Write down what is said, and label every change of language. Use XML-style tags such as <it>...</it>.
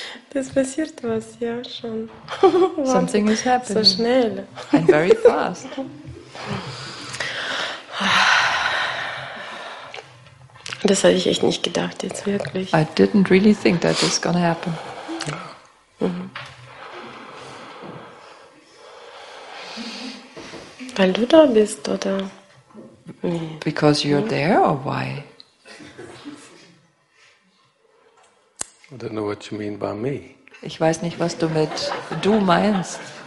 <de>Das passiert was, ja, schon.</de> <en>Something is happening.</en> <de>So schnell.</de> <en>And very fast.</en> <de>Das hätte ich echt nicht gedacht, jetzt wirklich.</de> <en>I didn't really think that was gonna happen.</en> <de>Weil du da bist, oder?</de> <en>Because you're there, or why? I don't know what you mean by me.</en> <de>Ich weiß nicht, was du mit du meinst.</de>